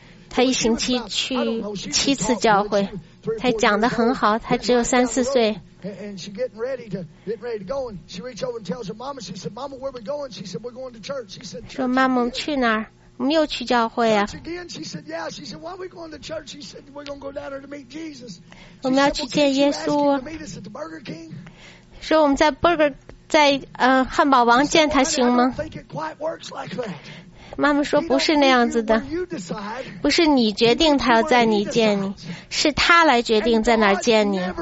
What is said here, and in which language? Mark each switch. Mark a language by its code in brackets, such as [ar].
[zh] 他一星期去七次教会，他讲得很好，他只有三四岁。 [en] And she's getting ready to go, and she reached over and tells her mama, she said, Mama, where are we going? She said, we're going to church. She said, church. [zh] 说妈妈去哪儿？我们又去教会啊。 [en] She said, yeah. She said, why are we going to church? She said, we're going to go down there to meet Jesus. [zh] 我们要去见耶稣。 [en] She said, well, can you ask him to meet us at the Burger King? [zh] 说我们在 Burger, 在汉堡王见他行吗？ [en] I don't think it quite works like that. [zh] 妈妈说不是那样子的。不是你决定他要在你见你，是他来决定在哪儿见你。